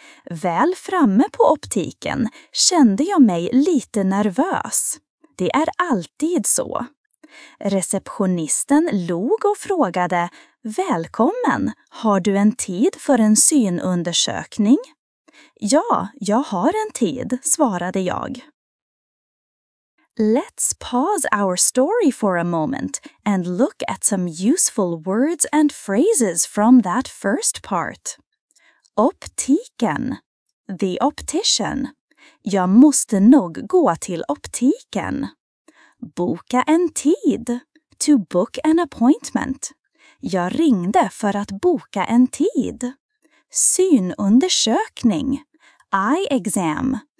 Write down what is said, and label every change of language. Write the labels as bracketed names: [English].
[Swedish] Väl framme på optiken kände jag mig lite nervös. Det är alltid så. Receptionisten log och frågade, välkommen, har du en tid för en synundersökning? Ja, jag har en tid, svarade jag. [English] Let's pause our story for a moment and look at some useful words and phrases from that first part. [Swedish] Optiken. [English] The optician. [Swedish] Jag måste nog gå till optiken. Boka en tid. [English] To book an appointment. [Swedish] Jag ringde för att boka en tid. Synundersökning. [English] Eye exam.